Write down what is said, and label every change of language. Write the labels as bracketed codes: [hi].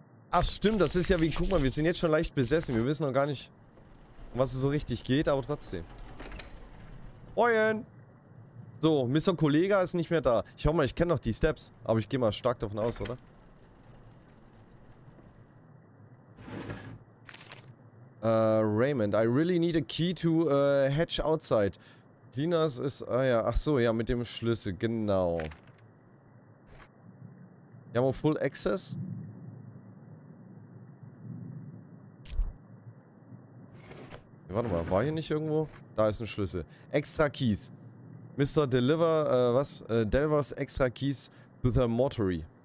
[de] Ach stimmt, das ist ja wie... Guck mal, wir sind jetzt schon leicht besessen. Wir wissen noch gar nicht... Was es so richtig geht, aber trotzdem. Moin! So, Mr. Kollege ist nicht mehr da. Ich hoffe mal, ich kenne noch die Steps. Aber ich gehe mal stark davon aus, oder? [en] Raymond, I really need a key to hatch outside. [de] Dinas ist... Ah ja, ach so, ja, mit dem Schlüssel, genau. Wir haben auch Full Access. Warte mal, war hier nicht irgendwo? Da ist ein Schlüssel. [en] Extra Keys. [de] Mr. Deliver, was? [en] Delivers extra Keys to the Mortuary.